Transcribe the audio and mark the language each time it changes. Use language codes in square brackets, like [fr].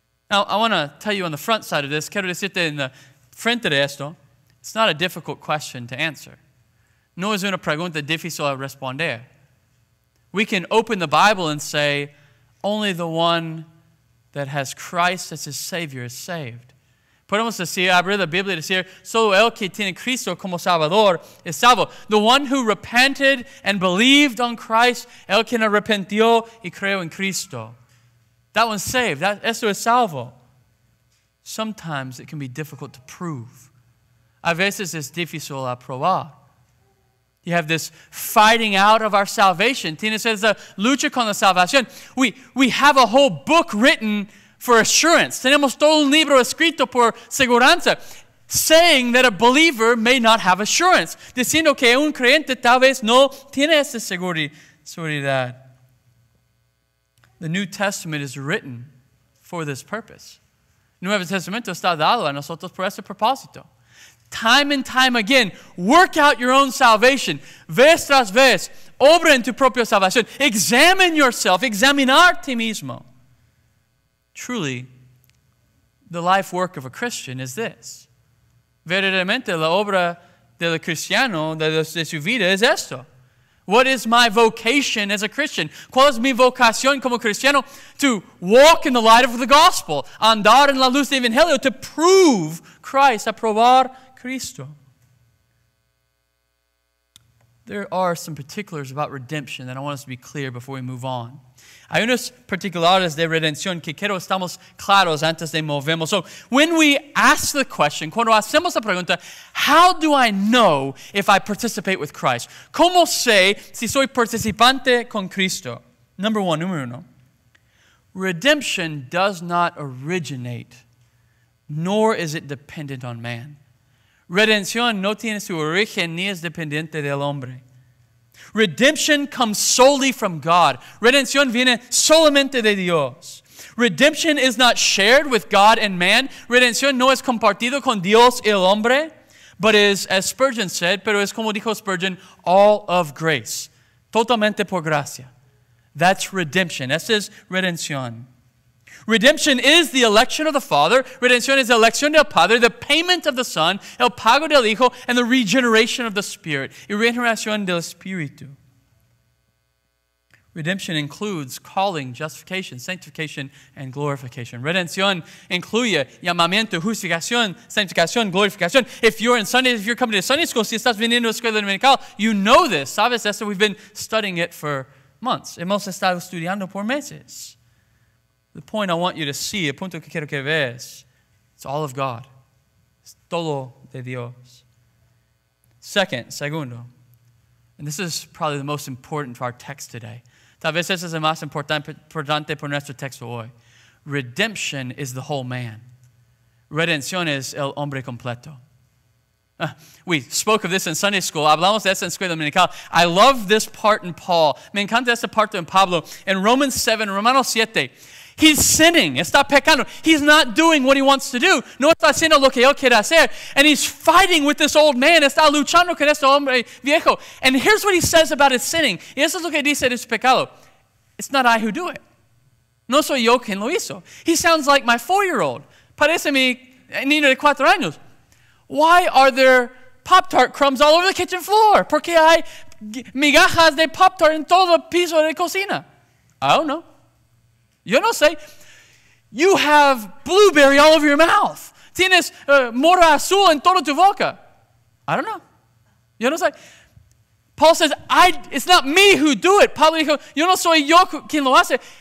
[en] Now, I want to tell you on the front side of this, [es] quiero decirte en la frente de esto, [en] it's not a difficult question to answer. [es] No es una pregunta difícil a responder. [en] We can open the Bible and say, only the one that has Christ as his Savior is saved. [es] Podemos decir, abrir la Biblia y decir, solo el que tiene Cristo como Salvador es salvo. [en] The one who repented and believed on Christ, [es] el quien arrepintió y creó en Cristo. [en] That one's saved. [es] Eso es salvo. [en] Sometimes it can be difficult to prove. [es] A veces es difícil a probar. [en] You have this fighting out of our salvation. Tina says the [es] lucha con la salvación. [en] We have a whole book written for assurance. [es] Tenemos todo un libro escrito por seguranza, [en] saying that a believer may not have assurance, [es] diciendo que un creyente tal vez no tiene esa seguridad. [en] The New Testament is written for this purpose. [es] Nuevo Testamento está dado a nosotros por ese propósito. [en] Time and time again, work out your own salvation. [es] Vez tras vez, obra en tu propia salvación. [en] Examine yourself, [es] examinar ti mismo. [en] Truly, the life work of a Christian is this. [es] Verdaderamente, la obra del cristiano, de su vida, es esto. [en] What is my vocation as a Christian? [es] ¿Cuál es mi vocación como cristiano? [en] To walk in the light of the gospel. [es] Andar en la luz del evangelio. [en] To prove Christ. [es] A probar Cristo. [en] There are some particulars about redemption that I want us to be clear before we move on. [es] Hay unos particulares de redención que quiero estamos claros antes de movemos. [en] So when we ask the question, [es] cuando hacemos la pregunta, [en] how do I know if I participate with Christ? [es] ¿Cómo sé si soy participante con Cristo? [en] Number one, [es] número uno. [en] Redemption does not originate, nor is it dependent on man. [es] Redención no tiene su origen ni es dependiente del hombre. [en] Redemption comes solely from God. [es] Redención viene solamente de Dios. [en] Redemption is not shared with God and man. [es] Redención no es compartido con Dios y el hombre. [en] But is, as Spurgeon said, [es] pero es como dijo Spurgeon, [en] all of grace. [es] Totalmente por gracia. [en] That's redemption. [es] Esa es redención. [en] Redemption is the election of the Father. [es] Redención es la elección del Padre, [en] the payment of the Son, [es] el pago del Hijo, [en] and the regeneration of the Spirit. [es] Y regeneración del Espíritu. [en] Redemption includes calling, justification, sanctification, and glorification. [es] Redemption incluye llamamiento, justificación, sanctificación, glorification. [en] If you're in Sunday, if you're coming to Sunday school, [es] si estás viniendo a escuela dominical, [en] you know this. [es] Sabes esto? [en] We've been studying it for months. [es] Hemos estado estudiando por meses. [en] The point I want you to see, [es] el punto que quiero que veas, [en] it's all of God. [es] It's todo de Dios. [en] Segundo, and this is probably the most important for our text today. [es] Tal vez eso es el más importante por nuestro texto hoy. [en] Redemption is the whole man. [es] Redención es el hombre completo. [en] We spoke of this in Sunday school. [es] Hablamos de eso en escuela dominical. [en] I love this part in Paul. [es] Me encanta esta parte en Pablo. [en] In Romans 7, [es] Romanos 7, [en] he's sinning. [es] Está pecando. [en] He's not doing what he wants to do. [es] No está haciendo lo que él quiere hacer. [en] And he's fighting with this old man. [es] Está luchando con este hombre viejo. [en] And here's what he says about his sinning. [es] Y eso es lo que dice de su pecado. [en] It's not I who do it. [es] No soy yo quien lo hizo. [en] He sounds like my four-year-old. [es] Parece mi niño de cuatro años. [en] Why are there Pop-Tart crumbs all over the kitchen floor? [es] ¿Por qué hay migajas de Pop-Tart en todo el piso de la cocina? [en] I don't know. [es] Yo no sé. [en] You have blueberry all over your mouth. [es] Tienes mora azul en toda tu boca. [en] I don't know. [es] Yo no sé. [en] Paul says, it's not me who do it. [es] Pablo dijo, yo no soy yo quien lo hace.